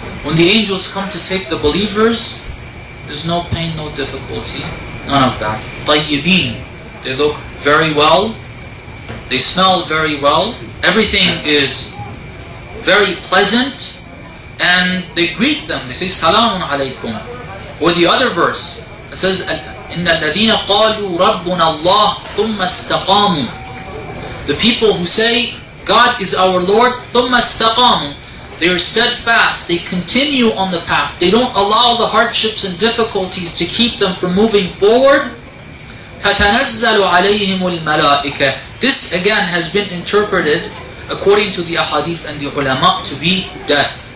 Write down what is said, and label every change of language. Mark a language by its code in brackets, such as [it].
[en] When the angels come to take the believers, there's no pain, no difficulty, none of that. طَيِّبِينَ. They look very well. They smell very well. Everything is very pleasant. And they greet them. They say, [ar] سَلَامٌ عَلَيْكُمْ. [en] Or the other verse, it says, [ar] إِنَّ الَّذِينَ قَالُوا رَبُّنَا اللَّهُ ثُمَّ اسْتَقَامُوا. [en] The people who say, God is our Lord, [ar] ثُمَّ اسْتَقَامُوا. [en] They are steadfast. They continue on the path. They don't allow the hardships and difficulties to keep them from moving forward. [ar] تَتَنَزَّلُ عَلَيْهِمُ الْمَلَائِكَةِ. [en] This again has been interpreted according to the ahadith and the ulama to be death.